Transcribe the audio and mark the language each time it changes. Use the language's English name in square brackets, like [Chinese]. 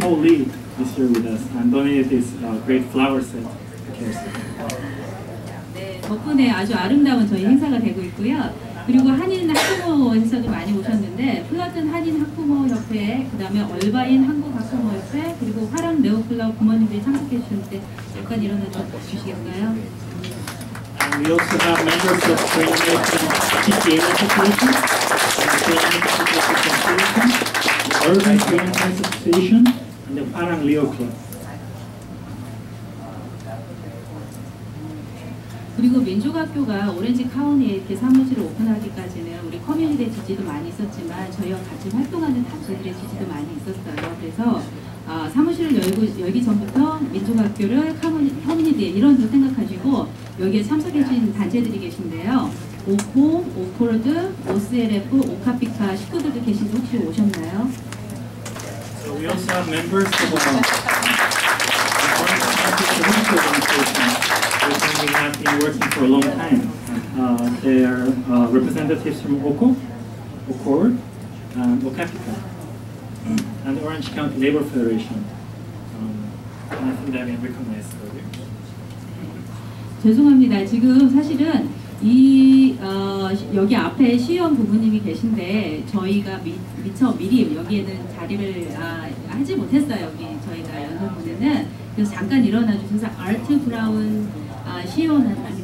[English] Paul Lee, is here with us and donated this great flower set to KRC. [Korean] 네, 덕분에 아주 아름다운 저희 행사가 되고 있고요. 그리고 한인 학부모 행사도 많이 오셨는데, 플라튼 한인 학부모 협회, 그 다음에 얼바인 한국 학부모 협회, 그리고 화랑 네오클라우 부모님들이 참석해 주셨는데, 잠깐 일어나서 주시겠어요? [English] We also have members of Korean American Association, the Urban Korean Friends Association, and the Parang Leo Club. [Korean] 그리고 민족학교가 오렌지 카운티에 이렇게 사무실을 오픈하기까지는 우리 커뮤니티의 지지도 많이 있었지만 저희와 같이 활동하는 단체들의 지지도 많이 있었어요. 그래서 사무실을 열기 전부터 민족학교를 커뮤니티에 이런 걸 생각하시고 여기에 참석해주신 단체들이 계신데요. 오코, 오콜드, 오스엘에프, 오카피카 식구들도 계신데 혹시 오셨나요? [English] So we also have members of the community organization. We have been working for a long time. They are representatives from OCO, OCORD, and OCAPICA, and the Orange County Labor Federation. And I think that I've been recognized earlier. [Korean] 죄송합니다. 지금 사실은 이 여기 앞에 시의원 부부님이 계신데 저희가 미처 미리 여기에는 자리를 하지 못했어요. 여기 저희가 연설문에는 그래서 잠깐 일어나 주셔서 아트 브라운 시의원님?